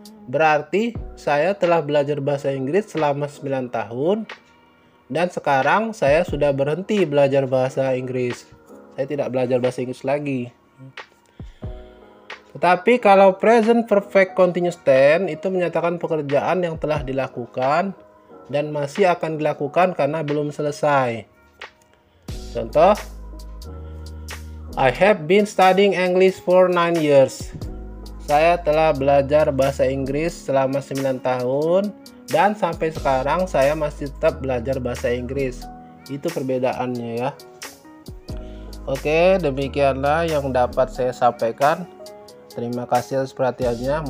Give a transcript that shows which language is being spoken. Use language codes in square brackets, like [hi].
[id] Berarti, saya telah belajar bahasa Inggris selama 9 tahun dan sekarang saya sudah berhenti belajar bahasa Inggris. Saya tidak belajar bahasa Inggris lagi. Tetapi kalau present perfect continuous tense itu menyatakan pekerjaan yang telah dilakukan dan masih akan dilakukan karena belum selesai. [en] Contoh, I have been studying English for 9 years. [id] Saya telah belajar bahasa Inggris selama 9 tahun dan sampai sekarang saya masih tetap belajar bahasa Inggris. Itu perbedaannya ya. Oke, demikianlah yang dapat saya sampaikan. Terima kasih atas perhatiannya.